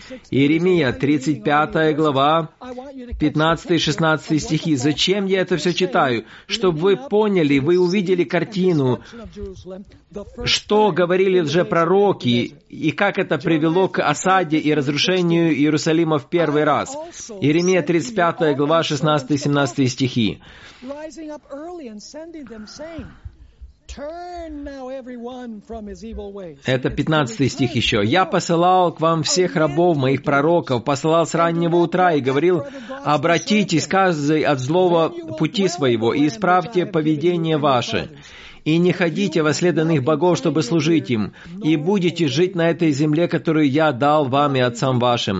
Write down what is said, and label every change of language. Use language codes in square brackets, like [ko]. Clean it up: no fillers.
[ru] Иеремия, 35 глава, 15-16 стихи. Зачем я это все читаю? Чтобы вы поняли, вы увидели картину, что говорили же пророки, и как это привело к осаде и разрушению Иерусалима в первый раз. Иеремия, 35 глава, 16-17 стихи. [en] «Rising up early and sending them, saying, turn now everyone from his evil ways». [ru] Это 15 стих еще. «Я посылал к вам всех рабов моих пророков, посылал с раннего утра и говорил, обратитесь каждый от злого пути своего и исправьте поведение ваше. И не ходите во след иных богов, чтобы служить им, и будете жить на этой земле, которую я дал вам и отцам вашим.